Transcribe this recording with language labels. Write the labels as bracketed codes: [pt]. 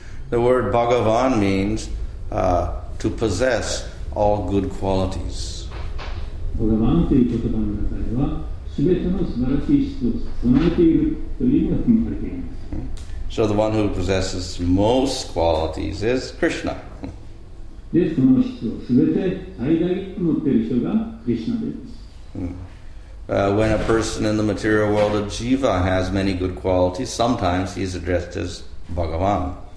[en] The word Bhagavan means to possess all good qualities. [ja] Bhagavan という言葉の中では、すべての素晴らしい質を備えているという意味が含まれています。 [en] So the one who possesses most qualities is Krishna. [ja] で、その質をすべて最大に持っている人が Krishna です。 [en] When a person in the material world of Jiva has many good qualities, sometimes he is addressed as Bhagavan.